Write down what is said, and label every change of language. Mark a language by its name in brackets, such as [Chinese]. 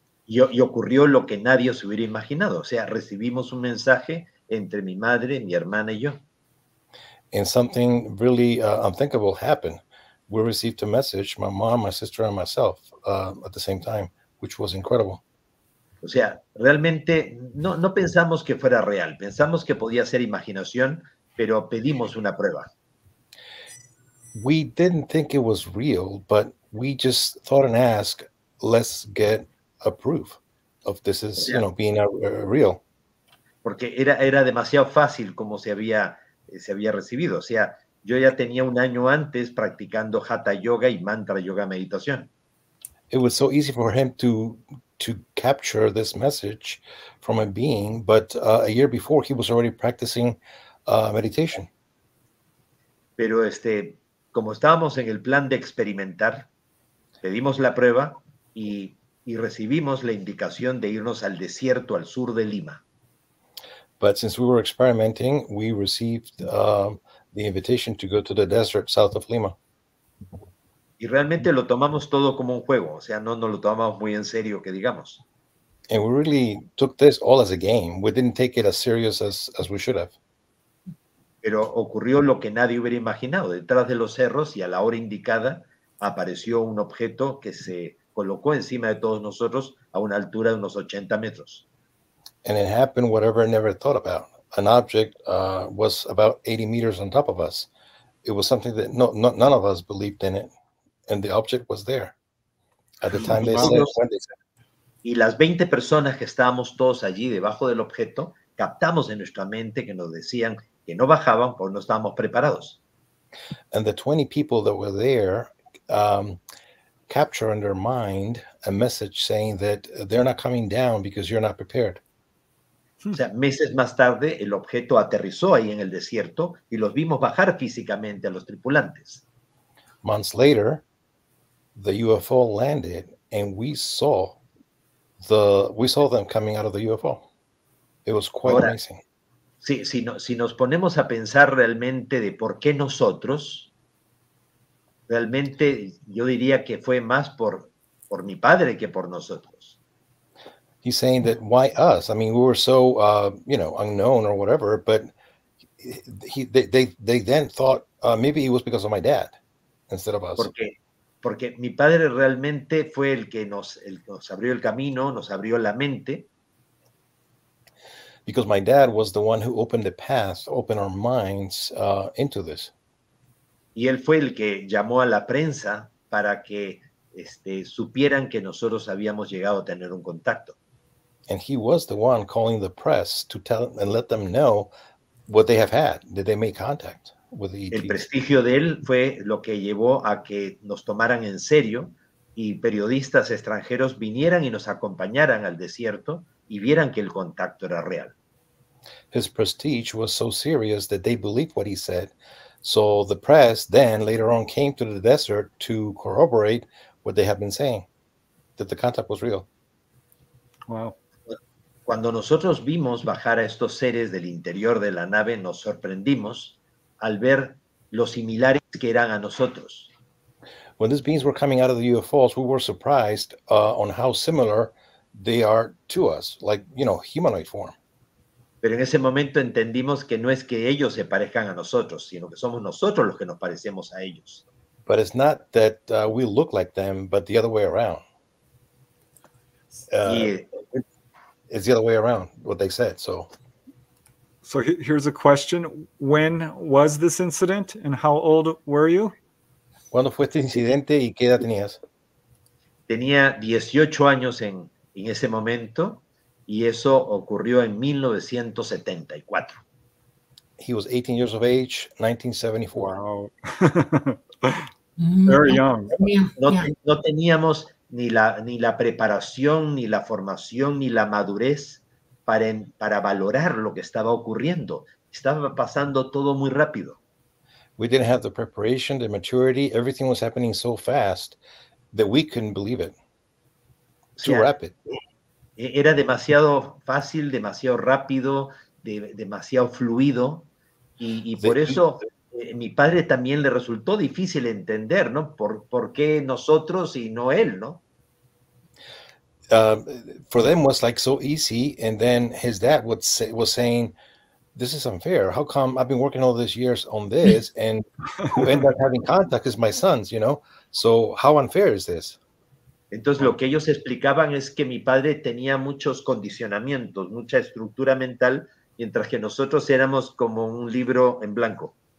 [Spanish] Y ocurrió lo que nadie se hubiera imaginado. O sea, recibimos un mensaje entre mi madre, mi hermana y yo. [English] And something really unthinkable happened. We received a message, my mom, my sister, and myself, at the same time, which was incredible. [Spanish] O sea, realmente no pensamos que fuera real. Pensamos que podía ser imaginación, pero pedimos una prueba. [English] We didn't think it was real, but we just thought and asked, let's get a proof of this is, yeah, you know, being real. [Spanish] Porque era demasiado fácil como se había recibido. O sea, yo ya tenía un año antes practicando hatha yoga y mantra yoga meditación. [English] It was so easy for him to capture this message from a being, but a year before he was already practicing meditation. [Spanish] Pero como estábamos en el plan de experimentar, pedimos la prueba y recibimos la indicación de irnos al desierto al sur de Lima. [English] But since we were experimenting, we received the invitation to go to the desert south of Lima. [Spanish] Y realmente lo tomamos todo como un juego, o sea, no lo tomamos muy en serio, que digamos. [English] And we really took this all as a game. We didn't take it as serious as we should have. [Spanish] Pero ocurrió lo que nadie hubiera imaginado. Detrás de los cerros y a la hora indicada apareció un objeto que se colocó encima de todos nosotros a una altura de unos 80 metros. [English] And it happened whatever I never thought about. An object was about 80 meters on top of us. It was something that none of us believed in it. And the object was there at the time they said. [Spanish] Y las 20 personas que estábamos todos allí debajo del objeto, captamos en nuestra mente que nos decían que no bajaban porque no estábamos preparados. [English] And the 20 people that were there capture in their mind a message saying that they're not coming down because you're not prepared. [Spanish] O sea, meses más tarde, el objeto aterrizó ahí en el desierto y los vimos bajar físicamente a los tripulantes. [English] Months later, the UFO landed and we saw them coming out of the UFO. It was quite [Spanish] Ahora, [English] amazing. [Spanish] Si nos ponemos a pensar realmente de por qué nosotros, realmente yo diría que fue más por mi padre que por nosotros. [English] He's saying that why us? I mean, we were so, unknown or whatever, but they then thought maybe it was because of my dad instead of us. [Spanish] Porque mi padre realmente fue el que nos abrió el camino, nos abrió la mente. [English] Because my dad was the one who opened the path, opened our minds into this. [Spanish] Y él fue el que llamó a la prensa para que supieran que nosotros habíamos llegado a tener un contacto. [English] And he was the one calling the press to tell and let them know what they have had. Did they make contact with the ETs? [Spanish] El prestigio de él fue lo que llevó a que nos tomaran en serio y periodistas extranjeros vinieran y nos acompañaran al desierto y vieran que el contacto era real. [English] His prestige was so serious that they believed what he said. So the press then later on came to the desert to corroborate what they had been saying, that the contact was real. Wow. [Spanish] Cuando nosotros vimos bajar a estos seres del interior de la nave, nos sorprendimos al ver lo similares que eran a nosotros. [English] When these beings were coming out of the UFOs, we were surprised on how similar they are to us, like, you know, humanoid form. [Spanish] Pero en ese momento entendimos que no es que ellos se parezcan a nosotros, sino que somos nosotros los que nos parecemos a ellos. [English] But it's not that we look like them, but the other way around. It's the other way around, what they said, so. So here's a question. When was this incident and how old were you? [Spanish] ¿Cuándo fue este incidente y qué edad tenías? Tenía 18 años en ese momento y eso ocurrió en 1974. [English] He was 18 years of age, 1974. Wow. Very young. [Spanish] No teníamos ni la preparación, ni la formación, ni la madurez para valorar lo que estaba ocurriendo. Estaba pasando todo muy rápido. [English] We didn't have the preparation, the maturity. Everything was happening so fast that we couldn't believe it. Too rapid. [Spanish] Era demasiado fácil, demasiado rápido, demasiado fluido. Y por eso mi padre también le resultó difícil entender, ¿no? ¿Por qué nosotros y no él, no? [English] For them was like so easy, and then his dad was saying, "This is unfair. How come I've been working all these years on this, and who end up having contact is my sons, you know? So how unfair is this?" [Spanish] Entonces lo que ellos explicaban es que mi padre tenía muchos condicionamientos, mucha estructura mental, mientras que nosotros éramos como un libro en blanco.